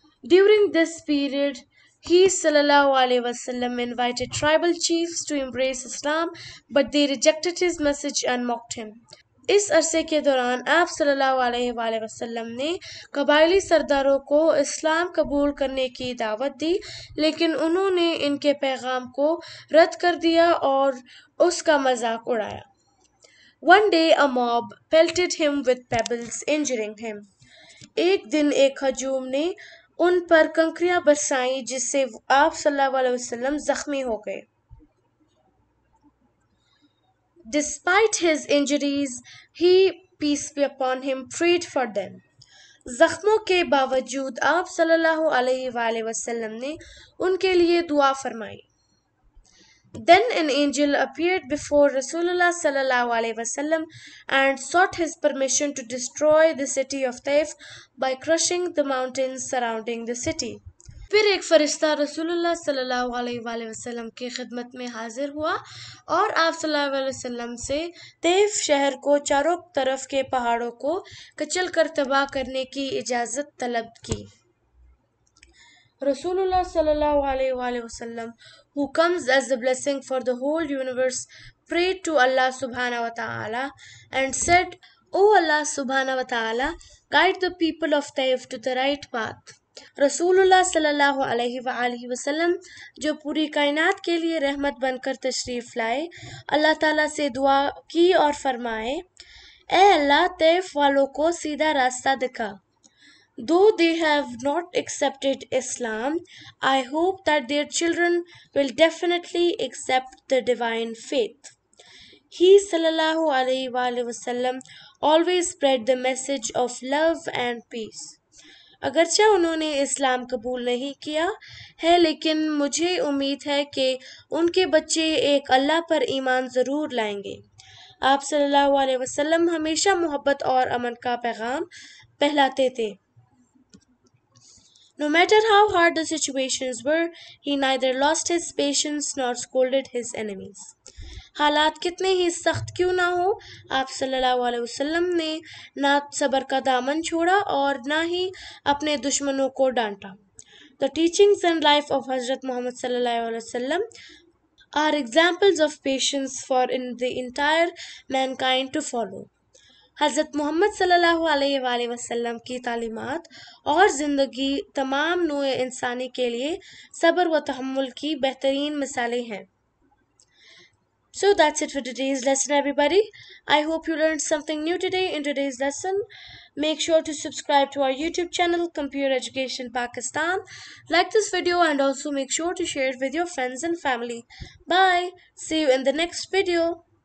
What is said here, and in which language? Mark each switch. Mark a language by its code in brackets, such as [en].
[en] During this period ہی صلی اللہ علیہ وسلم invited tribal chiefs to embrace Islam but they rejected his message and mocked him. [ur] اس عرصے کے دوران آپ صلی اللہ علیہ وآلہ وسلم نے قبائلی سرداروں کو اسلام قبول کرنے کی دعوت دی لیکن انہوں نے ان کے پیغام کو رد کر دیا اور اس کا مذاق اڑایا. [en] One day a mob pelted him with pebbles, injuring him. [ur] ایک دن ایک ہجوم نے ان پر کنکریاں برسائیں جس سے آپ صلی اللہ علیہ وسلم زخمی ہو گئے. [en] Despite his injuries, he, peace be upon him, prayed for them. [ur] زخموں کے باوجود آپ صلی اللہ علیہ وآلہ وسلم نے ان کے لیے دعا فرمائی. [en] Then an angel appeared before Rasulullah sallallahu alaihi wasallam and sought his permission to destroy the city of Taif by crushing the mountains surrounding the city. [ur] پھر ایک فرشتہ رسول اللہ صلی اللہ علیہ وآلہ وسلم کی خدمت میں حاضر ہوا اور آپ صلی اللہ علیہ وسلم سے طیف شہر کو چاروں طرف کے پہاڑوں کو کچل کر تباہ کرنے کی اجازت طلب کی. [en] رسول اللہ صلی اللہ علیہ وآلہ وسلم who comes as a blessing for the whole universe prayed to Allah subhanahu wa ta'ala and said, O Allah subhanahu wa ta'ala, guide the people of Taif to the right path. [ur] Rasulullah sallallahu alaihi wa alihi wa sallam جو پوری کائنات کے لیے رحمت بن کر تشریف لائے اللہ تعالیٰ سے دعا کی اور فرمائے, اے اللہ طیف والوں کو سیدھا راستہ دکھا. [en] Though they have not accepted Islam, I hope that their children will definitely accept the divine faith. He sallallahu alaihi wa sallam always spread the message of love and peace. [ur] اگرچہ انہوں نے اسلام قبول نہیں کیا ہے لیکن مجھے امید ہے کہ ان کے بچے ایک اللہ پر ایمان ضرور لائیں گے. آپ صلی اللہ علیہ وسلم ہمیشہ محبت اور امن کا پیغام پھیلاتے تھے. [en] No matter how hard the situations were, he neither lost his patience nor scolded his enemies. [ur] حالات کتنے ہی سخت کیوں نہ ہو, آپ صلی اللہ علیہ وسلم نے نہ صبر کا دامن چھوڑا اور نہ ہی اپنے دشمنوں کو ڈانٹا. [en] The teachings and life of Hazrat Muhammad صلی اللہ علیہ وسلم are examples of patience for in the entire mankind to follow. [ur] حضرت محمد صلی اللہ علیہ وآلہ وسلم کی تعلیمات اور زندگی تمام نوع انسانی کے لیے صبر و تحمل کی بہترین مثالیں ہیں. [en] So that's it for today's lesson everybody. I hope you learned something new today in today's lesson. Make sure to subscribe to our YouTube channel Computer Education Pakistan. Like this video and also make sure to share it with your friends and family. Bye. See you in the next video.